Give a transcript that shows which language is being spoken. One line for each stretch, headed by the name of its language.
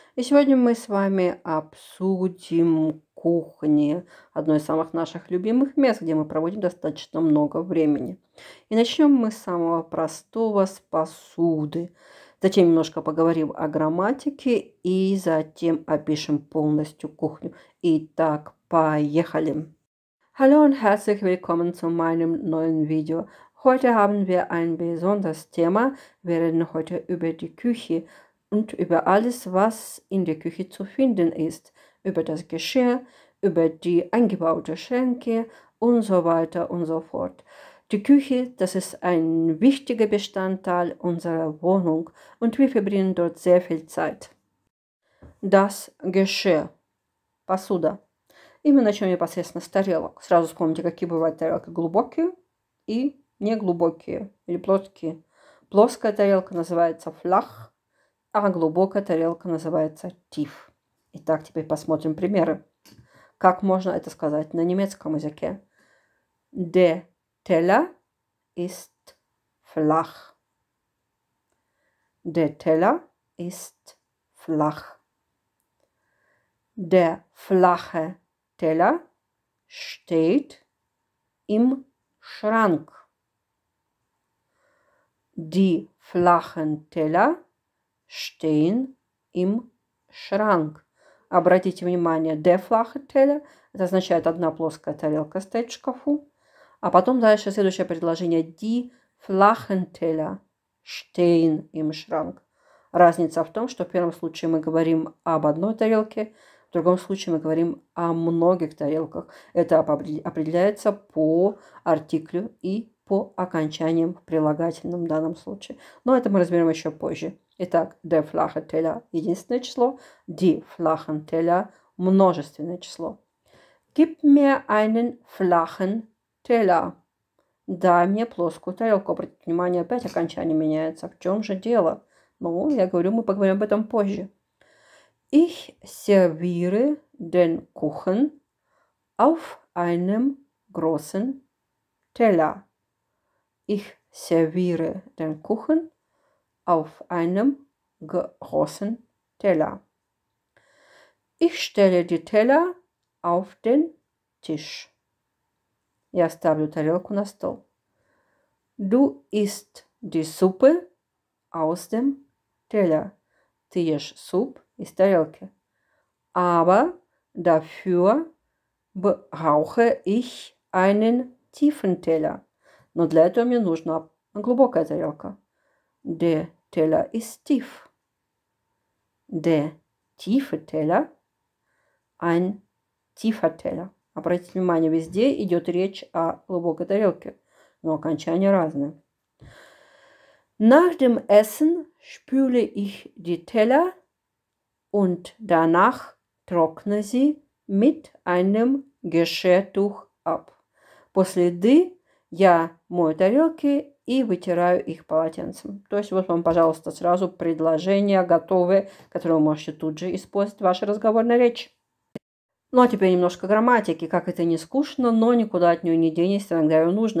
Russian: И сегодня мы с вами обсудим кухни, одно из самых наших любимых мест, где мы проводим достаточно много времени. И начнем мы с самого простого, с посуды. Затем немножко поговорим о грамматике и затем опишем полностью кухню. Итак, поехали!
German: Hallo und herzlich willkommen zu meinem neuen Video. Heute haben wir ein besonderes Thema. Wir reden heute über die Küche und über alles, was in der Küche zu finden ist. Über das Geschirr, über die eingebaute Schränke und so weiter und so fort. Die Küche, das ist ein wichtiger Bestandteil unserer Wohnung und wir verbringen dort sehr viel Zeit. Das Geschirr. Посуда.
Russian: И мы начнем непосредственно с тарелок. Сразу вспомните, какие бывают тарелки глубокие и неглубокие или плоские. Плоская тарелка называется флах, а глубокая тарелка называется тиф. Итак, теперь посмотрим примеры. Как можно это сказать на немецком языке?
German: Der Teller ist flach. Der Teller ist flach. Der flache Teller steht im Schrank. Die flachen Teller stehen im Schrank.
Russian: Обратите внимание,
German: der flache Teller,
Russian: это означает одна плоская тарелка стоит в шкафу. А потом дальше следующее предложение.
German: Die flachen Teller stehen im Schrank.
Russian: Разница в том, что в первом случае мы говорим об одной тарелке, в другом случае мы говорим о многих тарелках. Это определяется по артиклю и по окончаниям в прилагательном в данном случае. Но это мы разберем еще позже. Итак,
German: der flache Teller
Russian: – единственное число.
German: Die flachen Teller –
Russian: множественное число.
German: Gib mir einen flachen Teller.
Russian: Дай мне плоскую тарелку. Обратите внимание, опять окончание меняется. В чем же дело? Ну, я говорю, мы поговорим об этом позже.
German: Ich serviere den Kuchen auf einem großen Teller. Ich serviere den Kuchen auf einem großen Teller. Ich stelle die Teller auf den Tisch.
Russian: Я ставлю тарелку на стол.
German: Du isst die Suppe aus dem Teller.
Russian: Ты ешь суп из тарелки.
German: Aber dafür brauche ich einen tiefen Teller.
Russian: Но для этого мне нужна глубокая тарелка.
German: Der Teller ist tief. Der tiefe Teller. Ein tiefer Teller.
Russian: Обратите внимание, везде идет речь о глубокой тарелке. Но окончания разные.
German: Nach dem Essen spüle ich die Teller und danach trockne sie mit einem Geschirrtuch ab.
Russian: После еды я мою тарелки и вытираю их полотенцем. То есть вот вам, пожалуйста, сразу предложения готовые, которые вы можете тут же использовать в вашей разговорной речи. Ну, а теперь немножко грамматики. Как это не скучно, но никуда от нее не денешься, иногда ее нужно.